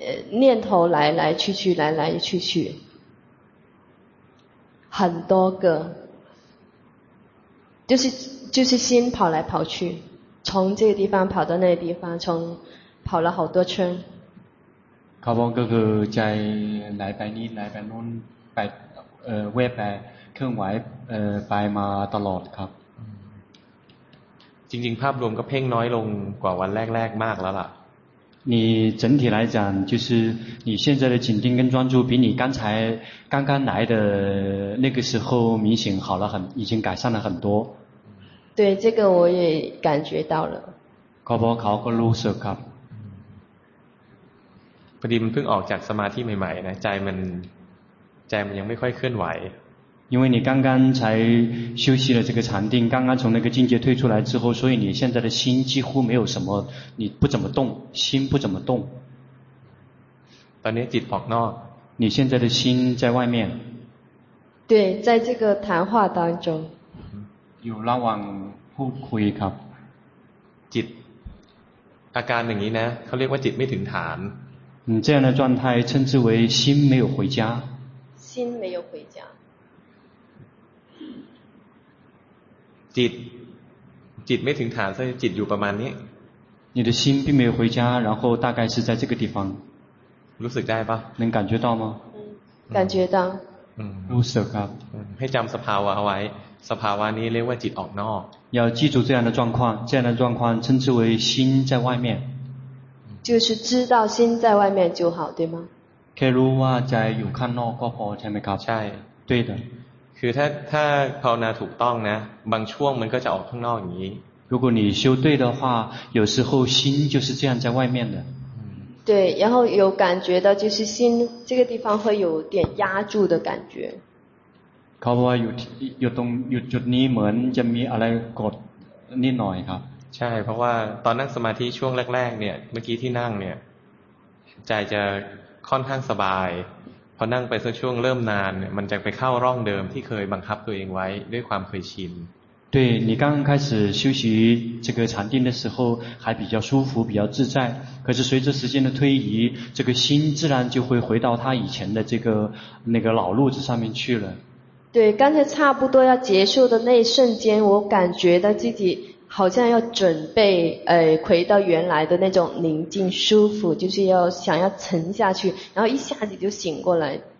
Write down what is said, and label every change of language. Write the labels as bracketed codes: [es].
[zh] 念头来去去来去去很多个就是心跑来跑去从这个地方跑到那个地方从跑了好多圈 [th] เขาบอกก็คือใจไหลไปนี้ไหลไปนู้นไปเว็บไปเครื่องไหวไปมาตลอดครับ จริงๆภาพรวมก็เพ่งน้อยลงกว่าวันแรกๆมากแล้วล่ะ [zh] 你整体来讲，就是你现在的紧盯跟专注，比你刚才刚刚来的那个时候明显好了很，已经改善了很多。对，这个我也感觉到了。 [th] ขอบคุณครับ。 พอดีมันเพิ่งออกจากสมาธิใหม่ๆนะใจมันยังไม่ค่อยเคลื่อนไหว [zh] 因为你刚刚才休息了这个禅定刚刚从那个境界退出来之后所以你现在的心几乎没有什么你不怎么动心不怎么动 [th] ตอนนี้จิตออกนอก [zh] 你现在的心在外面对在这个谈话当中 [th] อยู่ระหว่างพูดคุยครับ จิตอาการอย่างนี้นะเขาเรียกว่าจิตไม่ถึงฐาน เจ้าในจันทร์ไทย [zh] 称之为心没有回家心没有回家 [th] จิตไม่ถึงฐานซะจิตอยู่ประมาณนี้ [zh] 你的心并没有回家然后大概是在这个地方 [th] รู้สึกได้ปะ [zh] 能感觉到吗感觉到 [th] รู้สึกครับ ให้จำสภาวะเอาไว้สภาวะนี้เรียกว่าจิตออกนอก [zh] 要记住这样的状况这样的状况称之为心在外面就是知道心在外面就好对吗 [th] แค่รู้ว่าใจอยู่ข้างนอกก็พอใช่ไหมครับ ใช่ [zh] 对的 [th] คือถ้าภาวนาถูกต้องนะบางช่วงมันก็จะออกข้างนอกอย่างนี้ [zh] 如果你修对的话有时候心就是这样在外面的对然后有感觉到就是心这个地方会有点压住的感觉 [th] เขาบอกว่าอยู่ตรงอยู่จุดนี้เหมือนจะมีอะไรกดนิดหน่อยครับ ใช่เพราะว่าตอนนั่งสมาธิช่วงแรกๆเนี่ยเมื่อกี้ที่นั่งเนี่ยใจจะค่อนข้างสบายพอนั่งไปสักช่วงเริ่มนานมันจะไปเข้าร่องเดิมที่เคยบังคับตัวเองไว้ด้วยความเคยชิน [zh] 对你刚刚开始休息这个禅定的时候还比较舒服比较自在可是随着时间的推移这个心自然就会回到它以前的这个那个老路子上面去了对刚才差不多要结束的那一瞬间我感觉到自己好像要准备回到原来的那种宁静舒服就是要想要沉下去然后一下子就醒过来